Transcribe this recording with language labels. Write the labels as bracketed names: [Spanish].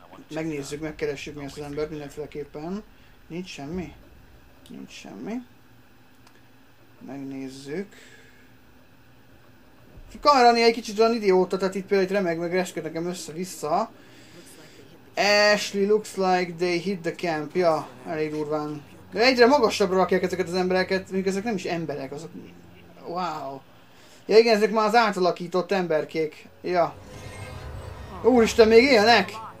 [Hungarian] Megnézzük, megkeressük mi ezt az embert mindenféleképpen. Nincs semmi. Nincs semmi. Megnézzük. Kamerani egy kicsit olyan idióta, tehát itt például egy remeg, meg reszket nekem össze-vissza. [English] Ashley, looks like they hit the camp. [Hungarian] Ja, elég durván. De egyre magasabbra rakják ezeket az embereket, mondjuk ezek nem is emberek, azok... Wow. Ja igen, ezek már az átalakított emberkék. Ja. Úristen, még élnek?